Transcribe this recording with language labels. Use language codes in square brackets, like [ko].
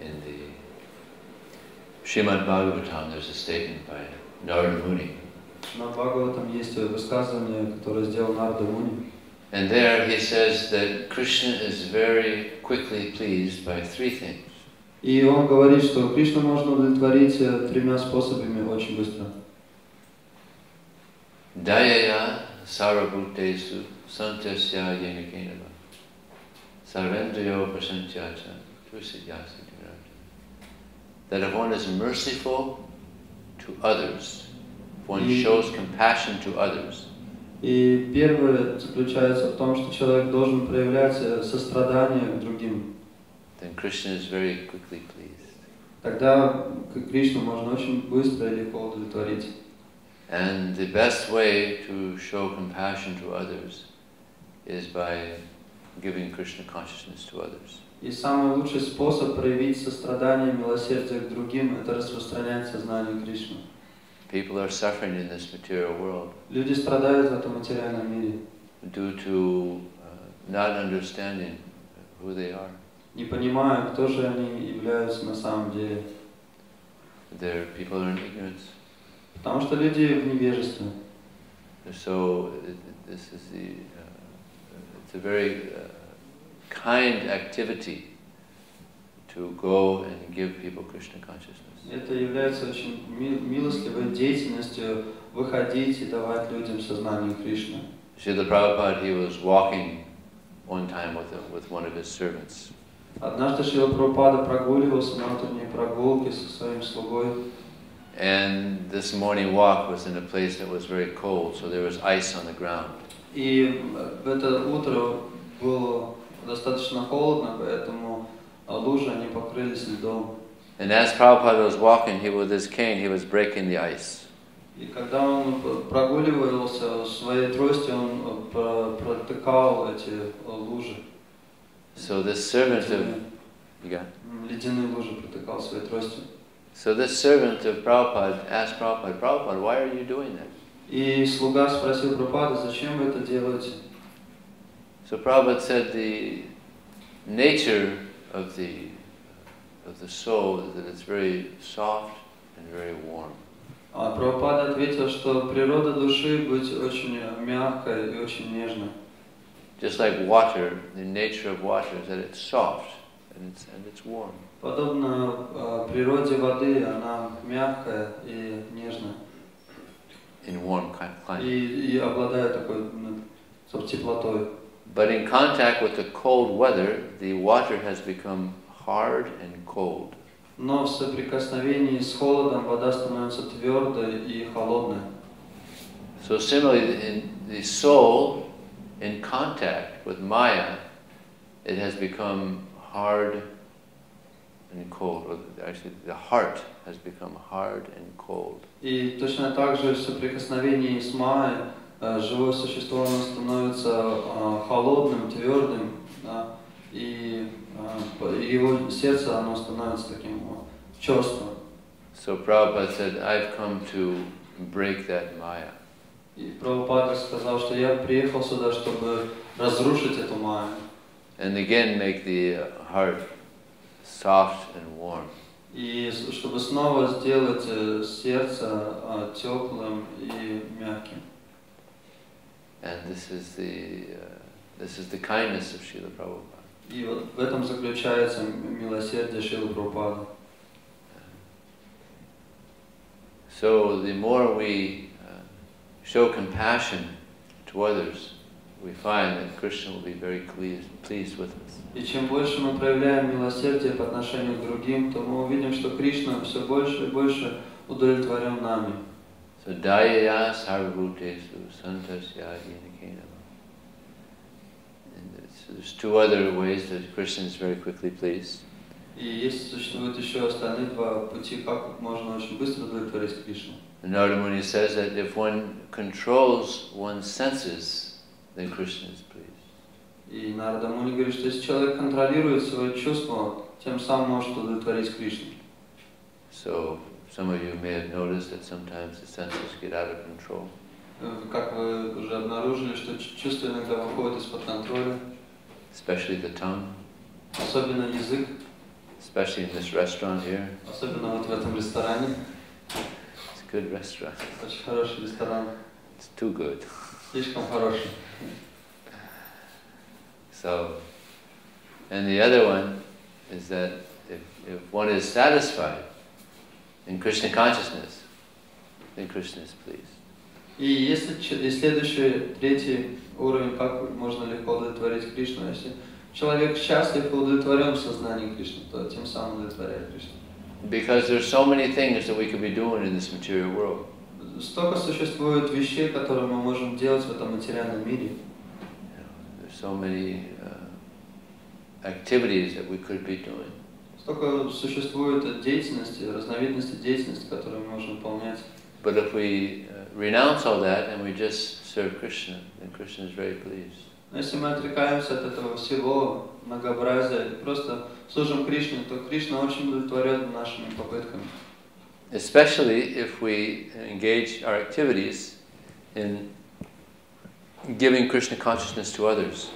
[en] In the Srimad Bhagavatam there's a statement by Narada Muni. [ru] Srimad Bhagavatam есть высказывание, которое сделал Нарада Муни. [en] And there he says that Krishna is very quickly pleased by three things. [ru] И он говорит, что Кришна можно удовлетворить тремя способами очень быстро. [sa] Даяя сарабхутесу сантасья янакенава сарендрио прасантьяча тусидьяса динарта. [en] That if one is merciful to others, if one shows compassion to others, [ru] и первое заключается в том, что человек должен проявлять сострадание к другим. [en] Then Krishna is very quickly pleased. [ru] Тогда Кришну можно очень быстро и легко удовлетворить. [en] And the best way to show compassion to others is by giving Krishna consciousness to others. [ru] И самый лучший способ проявить сострадание и милосердие к другим – это распространять сознание Кришны. [en] People are suffering in this material world. [ru] Люди страдают в этом материальном мире. [en] Due to not understanding who they are. [ru] Не понимая, кто же они являются на самом деле. [en] There people are in ignorance. [ru] Потому что люди в невежестве. [en] So this is the it's a very kind activity to go and give people Krishna consciousness. [ru] Это является очень милостивой деятельностью выходить и давать людям сознание Кришны. [en] Шрила Прабхупада, he was walking one time with one of his servants. [ru] Однажды Шрила Прабхупада прогуливался на утренней прогулке со своим слугой. [en] And this morning walk was in a place that was very cold, so there was ice on the ground. [ru] И в это утро было достаточно холодно, поэтому лужи они покрылись льдом. [en] And as Prabhupada was walking, he with his cane, he was breaking the ice. [ru] И когда он прогуливался своей тростью, он протыкал эти лужи. [en] So this servant of [ru] ледяные лужи протыкал своей тростью. [en] So this servant of Prabhupada asked Prabhupada, Prabhupada, why are you doing that? [ru] И слуга спросил Прабхупада, зачем вы это делаете? [en] So Prabhupada said the nature of the soul is that it's very soft and very warm. [ru] А Прабхупада ответил, что природа души быть очень мягкой и очень нежной. [en] Just like water, the nature of water is that it's soft and it's warm. [ru] Подобно природе воды, она мягкая и нежная. [en] In warm kind of climate. [ru] И обладает такой теплотой. [en] But in contact with the cold weather, the water has become hard and cold. [ru] Но в соприкосновении с холодом вода становится твердой и холодной. [en] So similarly, in the soul, in contact with Maya, it has become hard and cold. Actually, the heart has become hard and cold. [ru] И точно так же в соприкосновении с Майей живое существо становится холодным, твердым, да, и его сердце оно становится таким чёрствым. [en] So Prabhupada said, I've come to break that Maya. [ru] И Прабхупада сказал, что я приехал сюда, чтобы разрушить эту Майю. [en] And again make the heart soft and warm. [ru] И чтобы снова сделать сердце теплым и мягким. [en] And this is the kindness of Srila Prabhupada. [ru] И вот в этом заключается милосердие Шрилы Прабхупады. [en] So the more we show compassion to others, we find that Krishna will be very pleased with us. [ru] И чем больше мы проявляем милосердие по отношению к другим, то мы увидим, что Кришна все больше и больше удовлетворен нами. [sa] So daya sarvabhutesu santasya yinakenava. [en] And there's two other ways that Krishna is very quickly pleased. [ru] И есть существуют еще остальные два пути, как можно очень быстро удовлетворить Кришну. [en] Narada Muni says that if one controls one's senses, then Krishna is pleased. [ru] И Нарада Муни говорит, что если человек контролирует свои чувства, тем самым может удовлетворить Кришну. [en] So some of you may have noticed that sometimes the senses get out of control. [ru] Как вы уже обнаружили, что чувства иногда выходят из-под контроля. [en] Especially the tongue. [ru] Особенно язык. [en] Especially in this restaurant here. [ru] Особенно вот в этом ресторане. [en] Good restaurant. [ru] Очень хороший ресторан. [en] It's too good. [ru] Слишком хороший. [en] So, and the other one is that if one is satisfied in Krishna consciousness, then Krishna is pleased. [ru] И если следующий третий уровень, как можно легко удовлетворить Кришну, если человек счастлив и удовлетворен в сознании Кришны, то тем самым удовлетворяет Кришну. [en] Because there's so many things that we could be doing in this material world. [ru] Столько существует вещей, которые мы можем делать в этом материальном мире. [en] There's so many activities that we could be doing. [ru] Столько существует деятельности, разновидности деятельности, которые мы можем выполнять. [en] But if we renounce all that and we just serve Krishna, then Krishna is very pleased. [ru] Но если мы отрекаемся от этого всего многообразия и просто служим Кришне, то Кришна очень удовлетворен нашими попытками. [en] Especially if we engage our activities in giving Krishna consciousness to others.